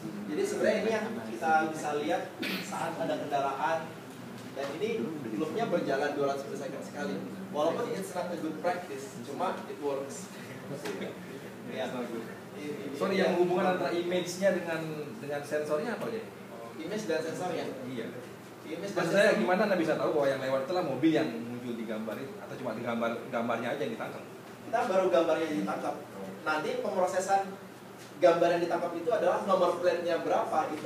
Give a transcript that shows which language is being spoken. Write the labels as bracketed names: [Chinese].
[Indonesian] Jadi sebenarnya ini yang kita bisa lihat saat ada kendaraan dan ini loopnya berjalan 200 per second sekali. [English] Walaupun it's not a good practice, cuma it works. [Indonesian] Sorry, yang hubungan antara image-nya dengan sensornya apa ya? Image dan sensornya. Iya. Maksud saya gimana Anda bisa tahu bahwa yang lewat itu lah mobil yang muncul di gambar itu atau cuma di gambarnya aja yang ditangkap? Kita baru gambarnya ditangkap. Nanti pemrosesan gambar yang ditangkap itu adalah nomor plate-nya berapa itu